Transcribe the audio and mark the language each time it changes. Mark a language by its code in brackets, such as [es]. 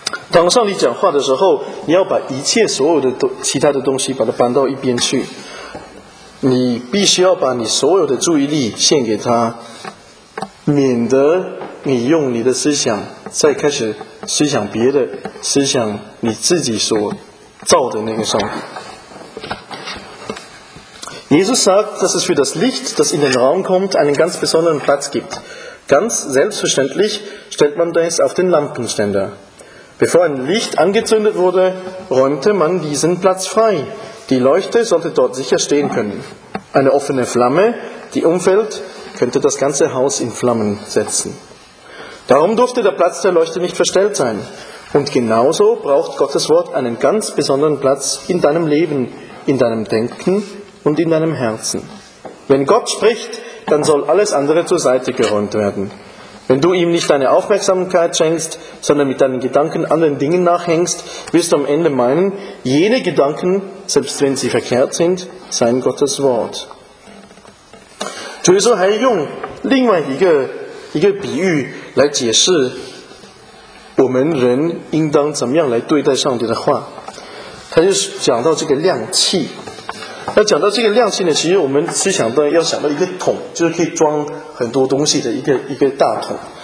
[zh] 当上帝讲话的时候，你要把一切所有的其他的东西把它搬到一边去，你必须要把你所有的注意力献给他，免得你用你的思想再开始思想别的，思想你自己所造的那个上帝。 [de] Jesus sagt, dass es für das Licht, das in den Raum kommt, einen ganz besonderen Platz gibt. Ganz selbstverständlich stellt man das auf den Lampenständer. Bevor ein Licht angezündet wurde, räumte man diesen Platz frei. Die Leuchte sollte dort sicher stehen können. Eine offene Flamme, die umfällt, könnte das ganze Haus in Flammen setzen. Darum durfte der Platz der Leuchte nicht verstellt sein. Und genauso braucht Gottes Wort einen ganz besonderen Platz in deinem Leben, in deinem Denken und in deinem Herzen. Wenn Gott spricht, dann soll alles andere zur Seite geräumt werden. Wenn du ihm nicht deine Aufmerksamkeit schenkst, sondern mit deinen Gedanken anderen Dingen nachhängst, wirst du am Ende meinen, jene Gedanken, selbst wenn sie verkehrt sind, seien Gottes Wort. [zh] 就是说，还用另外一个比喻来解释我们人应当怎么样来对待上帝的话。他就是讲到这个亮器。那讲到这个亮器呢，其实我们思想到要想到一个桶，就是可以装很多东西的一个大桶。